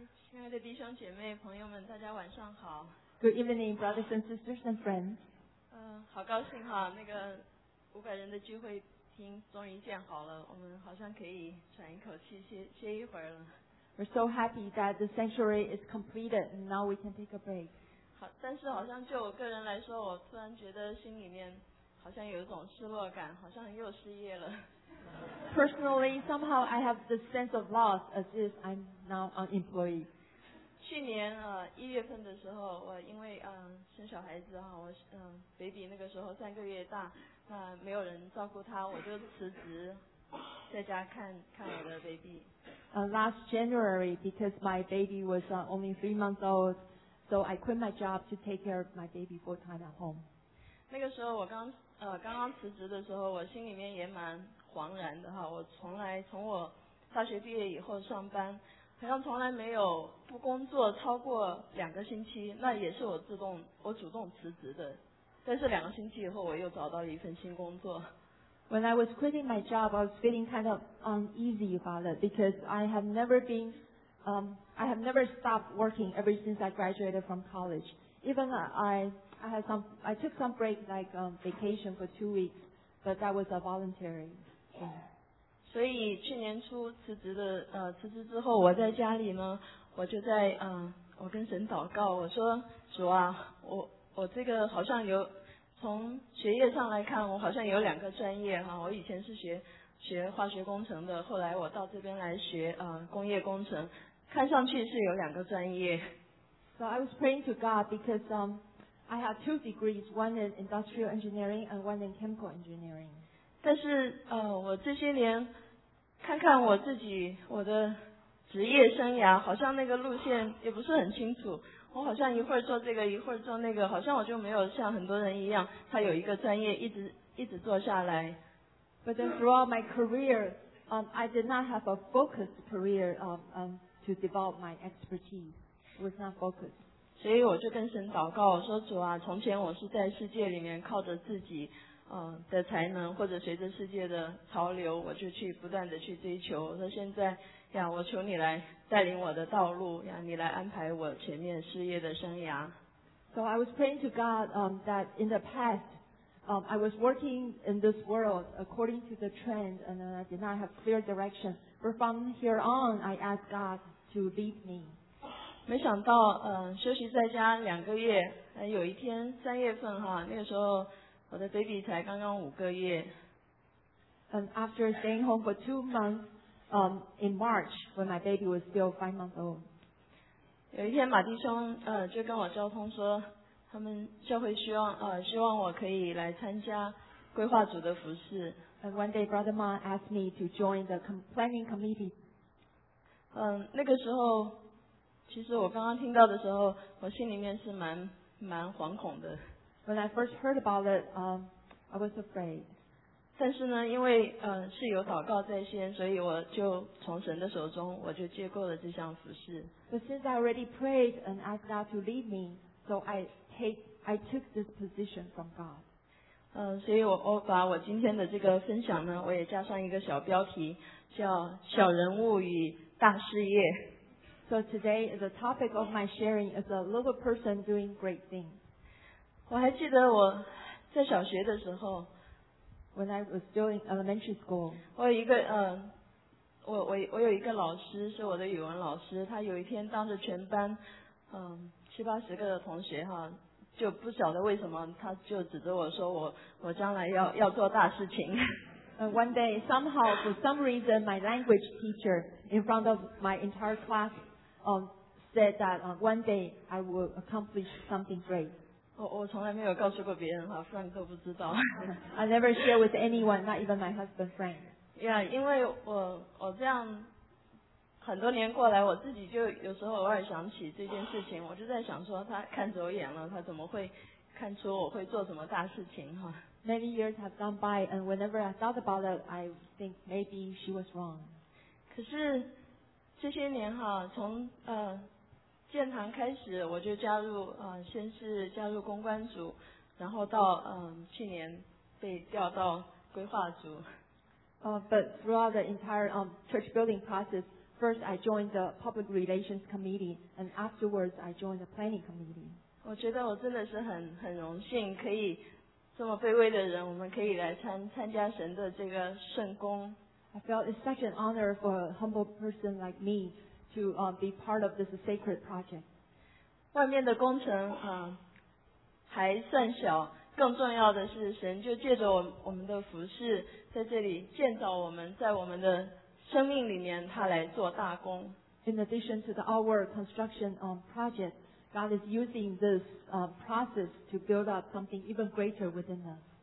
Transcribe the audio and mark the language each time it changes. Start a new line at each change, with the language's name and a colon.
Chinese: 亲爱的弟兄姐妹朋友们，大家晚上好。
English: Good evening, brothers and sisters and friends.
Chinese: 好高兴哈，那个五百人的聚会厅终于建好了，我们好像可以喘一口气，歇一会儿了。
English: We're so happy that the sanctuary is completed and now we can take a break.
Chinese: 好，但是好像就我个人来说，我突然觉得心里面好像有一种失落感，好像又失业了。
English: Personally, somehow I have the sense of loss as if I'm now unemployed.
Chinese: 去年一月份的时候，我因为生小孩子哈，我baby 那个时候三个月大，那没有人照顾他，我就辞职。在家看我的 baby.
English: Last January, because my baby was only 3 months old, so I quit my job to take care of my baby full time at home.
Chinese: 那个时候我刚刚辞职的时候，我心里面也蛮惶然的哈。我从我大学毕业以后上班，好像从来没有不工作超过两个星期。那也是我主动辞职的，但是两个星期以后我又找到一份新工作。
English: When I was quitting my job, I was feeling kind of uneasy about it because I have never stopped working ever since I graduated from college. Even I took some break like vacation for 2 weeks, but that was a voluntary thing.
Chinese: 所以去年初辞职之后，我在家里呢，我就在我跟神祷告，我说主啊，我这个好像有。从学业上来看，我好像有两个专业哈。我以前是学化学工程的，后来我到这边来学工业工程，看上去是有两个专业。
English: So I was praying to God because I have 2 degrees, one in industrial engineering and one in chemical engineering.
Chinese: 但是我这些年看看我自己我的职业生涯，好像那个路线也不是很清楚。我好像一会儿做这个一会儿做那个，好像我就没有像很多人一样他有一个专业一直做下来。
English: But then throughout my career I did not have a focused career to develop my expertise. It was not focused.
Chinese: 所以我就跟神祷告，我说主啊，从前我是在世界里面靠着自己的才能，或者随着世界的潮流，我就去不断的去追求。我说现在呀，我求你来带领我的道路呀，你来安排我前面事业的生涯。
English: So I was praying to God that in the past I was working in this world according to the trend and I did not have clear direction. But from here on, I asked God to lead me.
Chinese: 没想到休息在家两个月，有一天三月份哈，那个时候我的 baby 才刚刚五个月。
English: And after staying home for 2 months in March when my baby was still 5 months old.
Chinese: 有一天马弟兄就跟我交通说他们教会希望我可以来参加规划组的服事。
English: And one day Brother Ma asked me to join the planning committee.
Chinese: 那个时候其实我刚刚听到的时候我心里面是蛮惶恐的。
English: When I first heard about it, I was afraid.
Chinese: 但是呢因为是有祷告在先，所以我就从神的手中我就接过了这项服事。
English: But since I already prayed and asked God to lead me, so I took this position from God.
Chinese: 所以我把我今天的这个分享呢，我也加上一个小标题，叫《小人物与大事业》。
English: So today the topic of my sharing is a little person doing great things.
Chinese: 我还记得我在小学的时候
English: ，When I was still in elementary school,
Chinese: 我有一个我有一个老师是我的语文老师，他有一天当着全班七八十个的同学哈，就不晓得为什么他就指着我说我将来要做大事情。
English: One day somehow for some reason my language teacher in front of my entire class said that one day I will accomplish something great.
Chinese: 我从来没有告诉过别人哈， Frank 都不知道。
English: I never share with anyone, not even my husband Frank.
Chinese: Yeah, 因为我这样很多年过来，我自己就有时候偶尔想起这件事情，我就在想说他看走眼了，他怎么会看出我会做什么大事情哈。
English: Many years have gone by, and whenever I thought about it, I think maybe she was wrong.
Chinese: 可是这些年哈，从建堂开始，我就加入先是加入公关组，然后到去年被调到规划组。
English: But throughout the entire church building process, first I joined the public relations committee, and afterwards I joined the planning committee.
Chinese: 我觉得我真的是很荣幸，可以这么卑微的人，我们可以来参加神的这个圣工。
English: I felt it's such an honor for a humble person like me to be part of this sacred project.
Chinese: 外面的工程还算小，更重要的是神就借着我们的服事。在这里建造我们，在我们的生命里面，他来做大工。
English: In addition to the our construction project, God is using this process to build up something even greater within us.